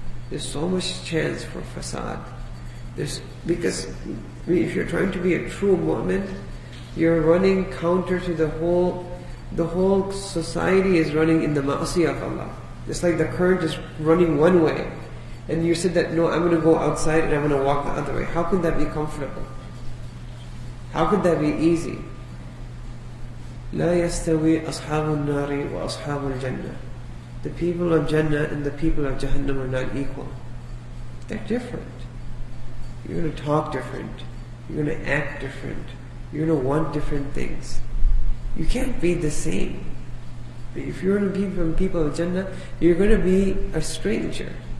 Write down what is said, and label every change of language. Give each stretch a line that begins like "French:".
English: There's so much chance for facade. If you're trying to be a true mu'min, you're running counter to the whole society is running in the ma'asiyah of Allah. It's like the current is running one way. And you said that, no, I'm going to go outside and I'm going to walk the other way. How could that be comfortable? How could that be easy?
Arabic: لا يستوي أصحاب النار وأصحاب الجنة.
English: The people of Jannah and the people of Jahannam are not equal. They're different. You're going to talk different. You're going to act different. You're going to want different things. You can't be the same. If you're going to be from people of Jannah, you're going to be a stranger.